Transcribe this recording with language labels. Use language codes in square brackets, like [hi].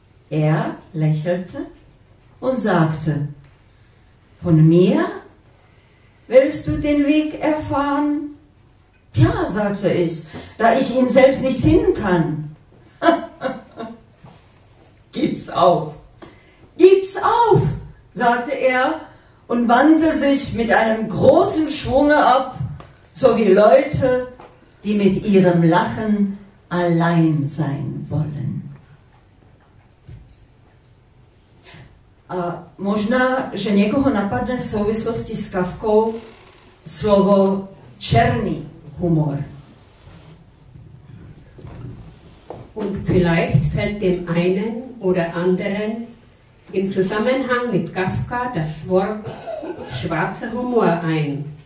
[de] Er lächelte und sagte, »Von mir willst du den Weg erfahren?« »Ja«, sagte ich, »da ich ihn selbst nicht finden kann.« »Gib's auf!« »Gib's auf!« sagte er und wandte sich mit einem großen Schwunge ab, so wie Leute, die mit ihrem Lachen allein sein wollen. [cs] Možná, že někoho napadne v souvislosti s Kafkou slovo černý humor. [de] Und vielleicht fällt dem einen oder anderen im Zusammenhang mit Kafka das Wort schwarzer Humor ein.